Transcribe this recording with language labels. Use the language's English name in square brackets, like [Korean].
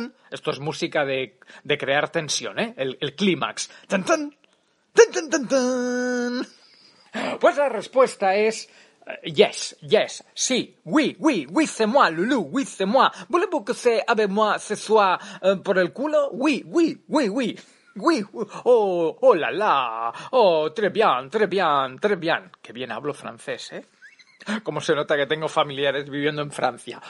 [Spanish] Esto es música de crear tensión, ¿eh? El clímax. ¡Tan, tan! ¡Tan, tan, tan, tan! Pues la respuesta es [English] yes, yes, [Spanish] sí, [French] oui, c'est moi, Lulu, oui, c'est moi. ¿Voulez-vous que c'est avec moi ce soir [Spanish] por el culo? [French] Oui. Oui, oh, oh la la, oh, très bien. [Spanish] Qué bien hablo francés, ¿eh? Como se nota que tengo familiares viviendo en Francia.